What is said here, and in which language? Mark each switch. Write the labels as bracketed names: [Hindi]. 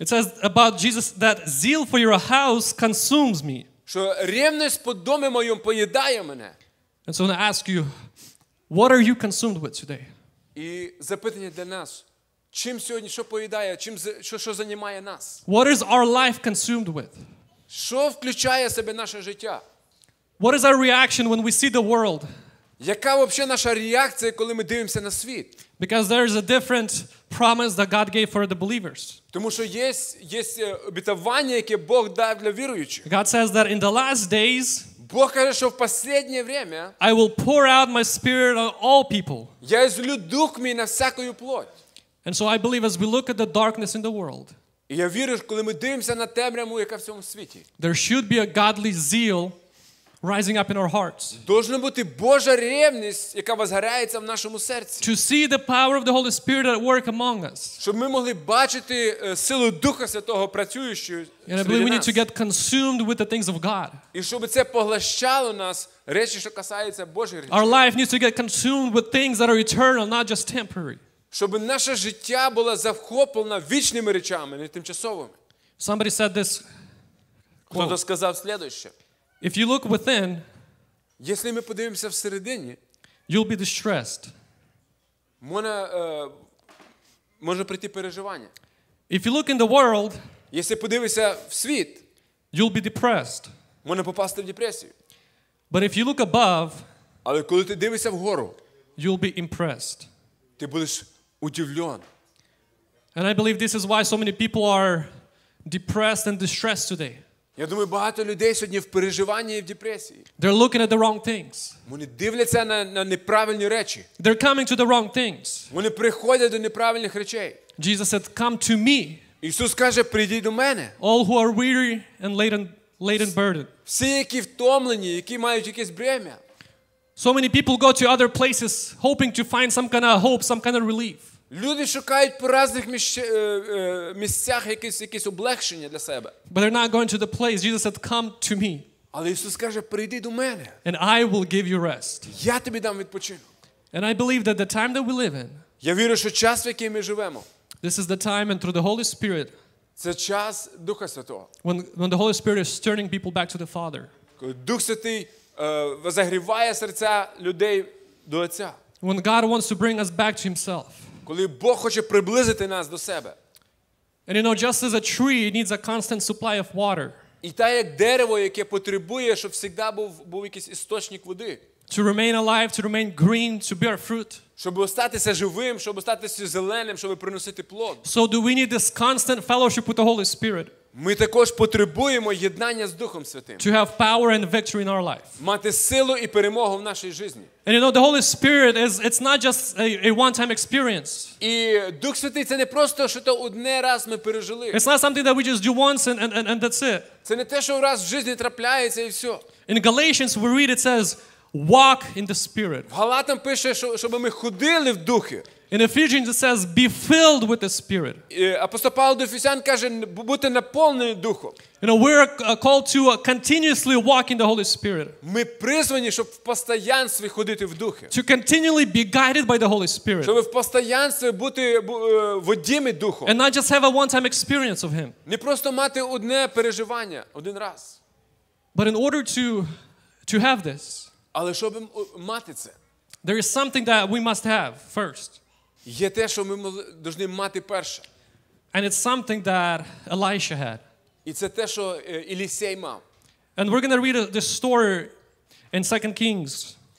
[English] It says about Jesus that zeal for your house consumes me. [Ukrainian] Що ревність по дому моєму поїдає мене. [English] And so I ask you, what are you consumed with today? [Ukrainian] І запитання для нас. Чим сьогодні, що поїдає, що займає нас? [English] What is our life consumed with? [Ukrainian] Що включає в себе наше життя? [English] What is our reaction when we see the world? [Ukrainian] Яка взагалі наша реакція, коли ми дивимося на світ? [English] Because there is a different promise that God gave for the believers. [Ukrainian] Тому що є обітування, яке Бог дав для віруючих. [English] God says that in the last days, [Ukrainian] Бог каже, що в останнє время, [English] I will pour out my spirit on all people. [Ukrainian] Я злю дух мій на всякою плоть. [English] And so I believe as we look at the darkness in the world, [Ukrainian] і я вірю, коли ми дивимося на темряву, яка в цьому світі, [English] there should be a godly zeal rising up in our hearts. [Ukrainian] Должна бути Божа ревність, яка возгорається в нашому серці. [English] To see the power of the Holy Spirit at work among us. [Ukrainian] Щоб ми могли бачити силу Духа Святого працюючу в нас. [English] We need to get consumed with the things of God. [Ukrainian] І щоб це поглощало нас речі, що касаються Божих речей. [English] Our life needs to get consumed with things that are eternal, not just temporary. [Ukrainian] Щоб наше життя було захоплено вічними речами, не тимчасовими. [English] Somebody said this. [Ukrainian] Хтось сказав следующее. [English] If you look within, [Ukrainian] якщо ми подивимося всередині, [English] you'll be distressed. [Ukrainian] Може прийти переживання. [English] If you look in the world, [Ukrainian] якщо подивишся в світ, [English] you'll be depressed. [Ukrainian] Може попасти в депресію. [English] But if you look above, [Ukrainian] але коли ти дивишся вгору, [English] you'll be impressed. [Ukrainian] Ти будеш удивлений. [English] And I believe this is why so many people are depressed and distressed today. [Ukrainian] Я думаю, багато людей сьогодні в переживанні і в депресії. [English] They're looking at the wrong things. [Ukrainian] Вони дивляться на неправильні речі. [English] They're coming to the wrong things. [Ukrainian] Вони приходять до неправильних речей. [English] Jesus said, "Come to me." [Ukrainian] Ісус каже: "Прийди до мене." [English] All who are weary and laden burdened. [Ukrainian] Всі, які втомлені, які мають якесь бремя. [English] So many people go to other places hoping to find some kind of hope, some kind of relief. [Ukrainian] Люди шукають по різних місцях якісь облегшення для себе. [English] But they're not going to the place. Jesus said, "Come to me." [Ukrainian] Але Ісус каже: "Прийди до мене." [English] And I will give you rest. [Ukrainian] Я тобі дам відпочинок. [English] And I believe that the time that we live in. [Ukrainian] Я вірю, що час, в який ми живемо. [English] This is the time and through the Holy Spirit. [Ukrainian] Це час Духа Святого. [English] When the Holy Spirit is turning people back to the Father. [Ukrainian] Дух Святий возогріває серця людей до Отця. [English] When God wants to bring us back to himself. [Ukrainian] Коли Бог хоче приблизити нас до себе. [English] And you know, just as a tree needs a constant supply of water. [Ukrainian] І так як дерево, яке потребує, щоб завжди був якийсь істочник води. [English] To remain alive, to remain green, to bear fruit. [Ukrainian] Щоб остатися живим, щоб остатися зеленим, щоб приносити плод. [English] So do we need this constant fellowship with the Holy Spirit? [Ukrainian] Ми також потребуємо єднання з Духом Святим. [English] To have power and victory in our life. [Ukrainian] Мати силу і перемогу в нашій житті. [English] And you know, the Holy Spirit is, it's not just a one-time experience. [Ukrainian] І Дух Святий, це не просто, що то одне раз ми пережили. [English] It's not something that we just do once and that's it. [Ukrainian] Це не те, що раз в житті трапляється і все. [English] In Galatians we read, it says, walk in the Spirit. [Ukrainian] В Галатам пише, щоб ми ходили в Духі. [English] In Ephesians it says be filled with the Spirit. [Ukrainian] Апостол Павло до Ефесян каже бути наповнені духом. [English] You know, we're called to continuously walk in the Holy Spirit. [Ukrainian] Ми призвані, щоб в постоянстві ходити в Духі. [English] To continually be guided by the Holy Spirit. [Ukrainian] Щоб в постоянстві бути водімі Духом. [English] And not just have a one-time experience of him. [Ukrainian] Не просто мати одне переживання один раз. [English] But in order to have this. [Ukrainian] Але щоб мати це. [English] There is something that we must have first. [Ukrainian] Є те, що ми повинні мати перше. [English] And it's something that Elisha had. [Ukrainian] І це те, що Елісей мав. [English] And we're going to read this story in 2 Kings.